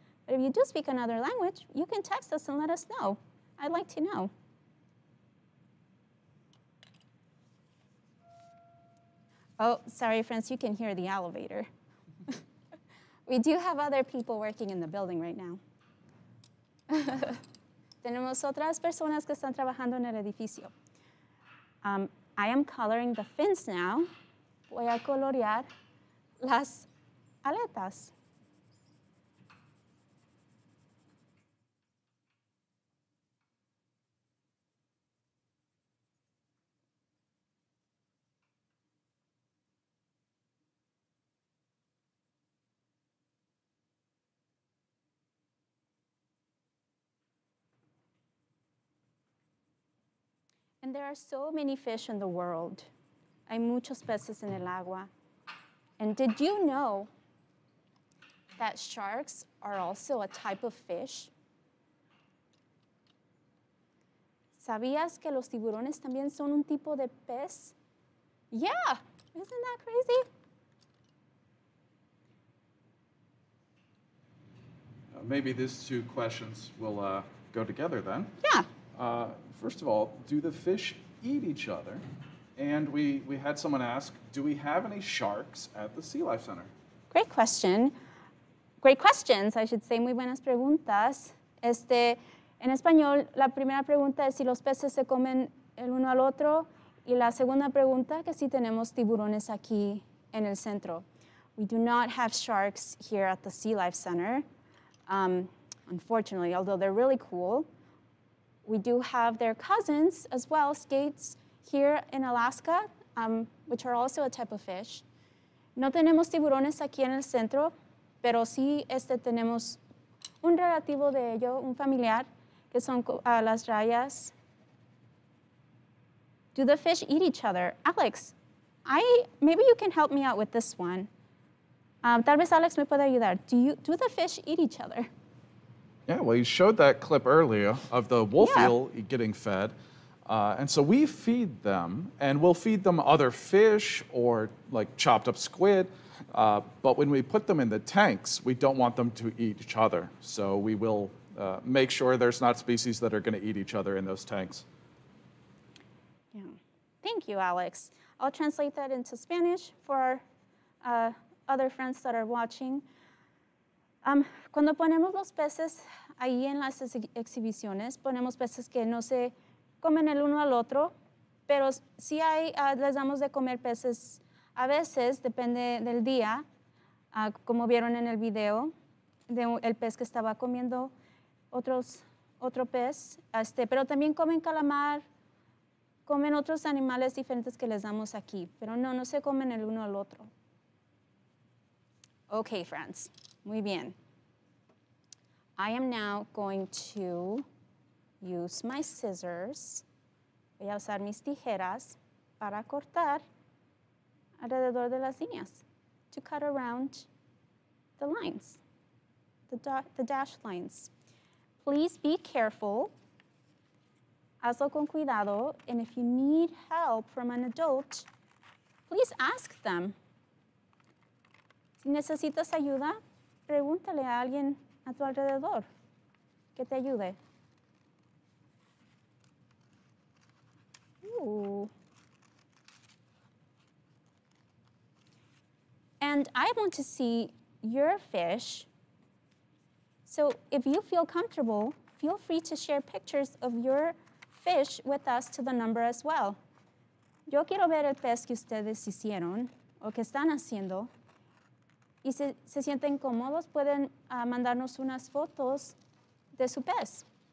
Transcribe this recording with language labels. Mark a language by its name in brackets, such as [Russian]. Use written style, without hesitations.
[English] But if you do speak another language, you can text us and let us know. I'd like to know. Oh, sorry, friends, you can hear the elevator. We do have other people working in the building right now. [Spanish] Tenemos otras personas que están trabajando en el edificio. [English] I am coloring the fins now. [Spanish] Voy a colorear las aletas. [English] And there are so many fish in the world. [Spanish] Hay muchos peces en el agua. [English] And did you know that sharks are also a type of fish? [Spanish] ¿Sabías que los tiburones también son un tipo de pez? [English] Yeah, isn't that crazy? Maybe these two questions will go together then. Yeah. First of all, do the fish eat each other? And we had someone ask, do we have any sharks at the Sea Life Center? Great question. Great questions, I should say. [Spanish] Muy buenas preguntas. En español, la primera pregunta es si los peces se comen el uno al otro. Y la segunda pregunta, que si tenemos tiburones aquí en el centro. [English] We do not have sharks here at the Sea Life Center, unfortunately, although they're really cool. We do have their cousins as well, skates, here in Alaska, which are also a type of fish. [Spanish] No tenemos tiburones aquí en el centro, pero sí tenemos un relativo de ello, un familiar, que son las rayas. [English] Do the fish eat each other? Alex, maybe you can help me out with this one. [Spanish] Tal vez Alex me puede ayudar. [English] Do the fish eat each other? Yeah, well, you showed that clip earlier of the wolf eel getting fed. And so we feed them, and we'll feed them other fish or like chopped up squid. But when we put them in the tanks, we don't want them to eat each other. So we will make sure there's not species that are going to eat each other in those tanks. Yeah. Thank you, Alex. I'll translate that into Spanish for our other friends that are watching. [Spanish] Cuando ponemos los peces ahí en las exhibiciones, ponemos peces que no se comen el uno al otro, pero sí hay, les damos de comer peces a veces, depende del día, como vieron en el video, el pez que estaba comiendo otro pez. Pero también comen calamar, comen otros animales diferentes que les damos aquí, pero no se comen el uno al otro. [English] Okay, friends. [Spanish] Muy bien. [English] I am now going to use my scissors. [Spanish] Voy a usar mis tijeras para cortar alrededor de las líneas, [English] to cut around the lines, the dash lines. Please be careful. [Spanish] Hazlo con cuidado. [English] And if you need help from an adult, please ask them. [Spanish] Si necesitas ayuda, pregúntale a alguien a tu alrededor que te ayude. [English] And I want to see your fish. So if you feel comfortable, feel free to share pictures of your fish with us to the number as well. [Spanish] Yo quiero ver el pez que ustedes hicieron o que están haciendo. Y si se sienten cómodos, pueden mandarnos unas fotos de su pez.